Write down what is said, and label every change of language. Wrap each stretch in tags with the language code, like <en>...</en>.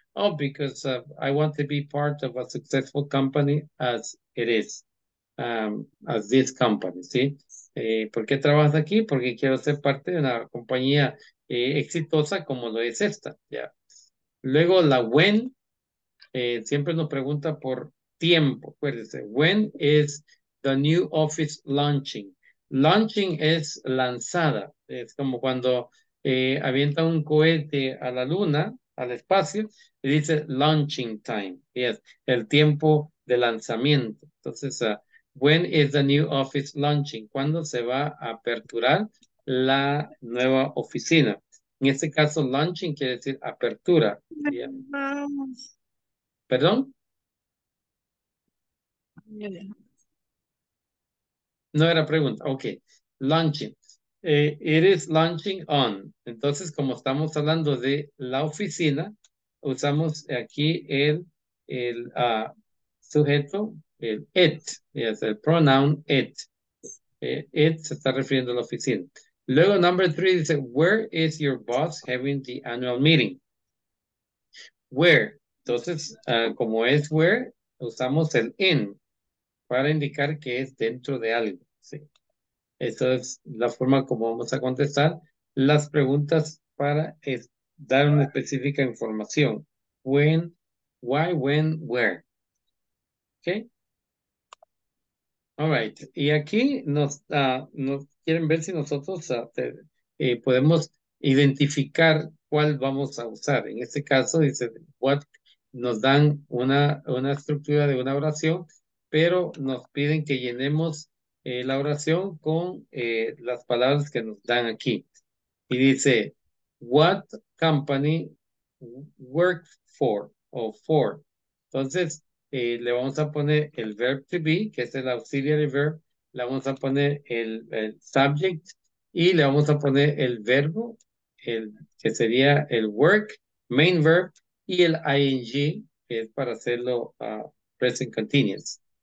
<en>Oh, because I want to be part of a successful company as it is, as this company,</en> <es>¿sí? ¿Por qué trabajas aquí? Porque quiero ser parte de una compañía exitosa como lo es esta, ¿ya? Yeah. Luego, la when, siempre nos pregunta por tiempo, acuérdense.</es> <en>When is the new office launching?</en> <es>Launching es lanzada, es como cuando avienta un cohete a la luna, al espacio, y dice launching time, yes, el tiempo de lanzamiento. Entonces,</es> <en>when is the new office launching?</en> <es>¿Cuándo se va a aperturar la nueva oficina? En este caso, launching quiere decir apertura. Yes. ¿Perdón? No era pregunta,</es> <en>ok, launching. It is launching on.</en> <es>Entonces, como estamos hablando de la oficina, usamos aquí el sujeto, el it, yes, el pronoun it. It se está refiriendo a la oficina.</es> <en>Luego, number three dice, where is your boss having the annual meeting?</en> <es>Where. Entonces, como es where, usamos el in para indicar que es dentro de algo. Esa es la forma como vamos a contestar las preguntas para dar una específica información.</es> <en>When, why, when, where. ¿Ok? All right.</en> <es>Y aquí nos quieren ver si nosotros podemos identificar cuál vamos a usar. En este caso, dice, what, nos dan una estructura de una oración, pero nos piden que llenemos la oración con las palabras que nos dan aquí. Y dice,</es> <en>what company work for o for?</en> <es>Entonces, le vamos a poner el verb to be, que es el auxiliary verb. Le vamos a poner el subject y le vamos a poner el verbo, que sería el work, main verb, y el ing, que es para hacerlo present continuous.</es>